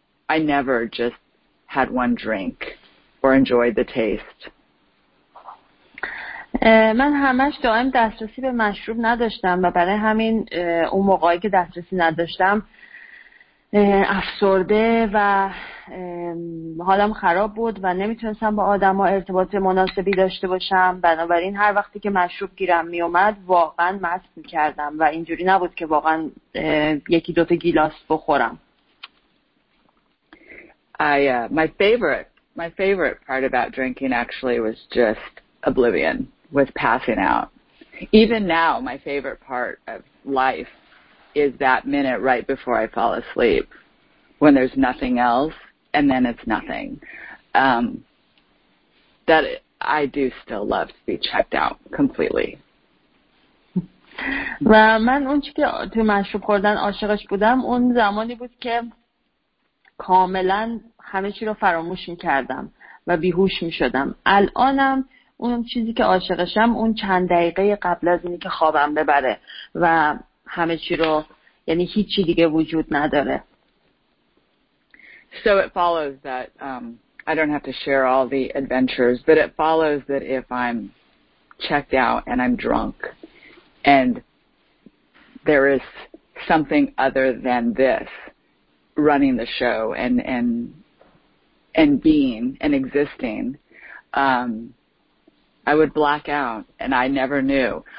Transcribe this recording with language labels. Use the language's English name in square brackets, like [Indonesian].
[English] I never just had one drink or enjoyed the taste. [Persian] من همش دائم دسترسی به مشروب نداشتم و برای همین اون موقعی که دسترسی نداشتم افسرده و حالم خراب بود و نمیتونستم با آدم ها ارتباط مناسبی داشته باشم. بنابراین هر وقتی که مشروب گیرم میومد واقعا مست میکردم و اینجوری نبود که واقعا یکی دوتا گیلاس بخورم. [English] My favorite part about drinking actually was just oblivion, was passing out. Even now, my favorite part of life is that minute right before I fall asleep, when there's nothing else, and then it's nothing. That I do still love to be checked out completely. [Persian] و من اون چی که تو مشروب خوردن عاشقش بودم اون زمانی بود که کاملا همه چی رو فراموش می‌کردم و بیهوش می‌شدم. الانم اون چیزی که عاشقشم اون چند دقیقه قبل از اینی که خوابم ببره و همه چی رو، یعنی هیچ چی دیگه وجود نداره. [English] So it follows that I don't have to share all the adventures, but it follows that if I'm checked out and I'm drunk and there is something other than this running the show and being and existing, I would black out, and I never knew.